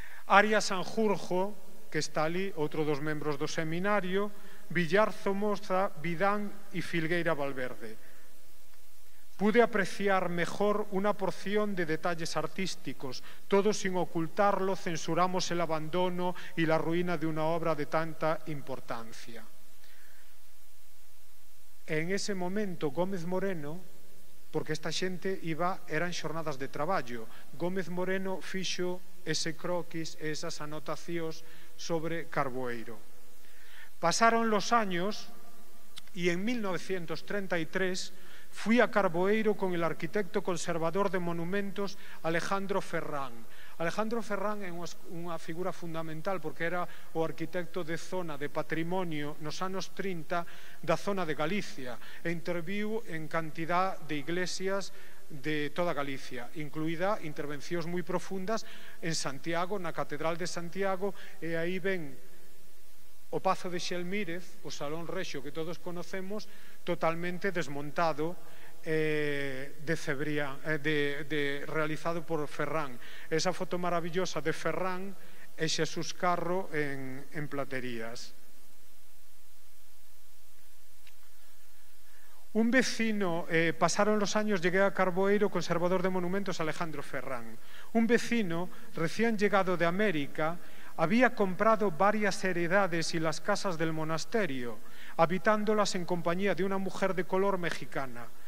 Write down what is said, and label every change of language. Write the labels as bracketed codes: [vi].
[es] Aria Sanjurjo, que está allí, otro dos miembros del seminario, Villar Zomoza, Vidán y Filgueira Valverde. Pude apreciar mejor una porción de detalles artísticos. Todo sin ocultarlo, censuramos el abandono y la ruina de una obra de tanta importancia. En ese momento, [gl] Gómez Moreno, porque esta xente iba, eran xornadas de traballo, Gómez Moreno fixo ese croquis e esas anotacións sobre Carboeiro. [es] Pasaron los años y en 1933 fui a Carboeiro con el arquitecto conservador de monumentos Alejandro Ferrán. [gl] Alejandro Ferrán é unha figura fundamental porque era o arquitecto de zona de patrimonio nos anos 30 da zona de Galicia e interviu en cantidad de iglesias de toda Galicia, incluída intervencións moi profundas en Santiago, na Catedral de Santiago, e aí ven o Pazo de Xelmírez, o Salón Rexo que todos conocemos, totalmente desmontado, de Cebría, realizado por Ferrán. Esa foto maravillosa de Ferrán e Xesús Carro en Platerías. [es] Un vecino, pasaron los años, llegué a Carboeiro, conservador de monumentos Alejandro Ferrán. Un vecino, recién llegado de América, había comprado varias heredades y las casas del monasterio, habitándolas en compañía de una mujer de color mexicana.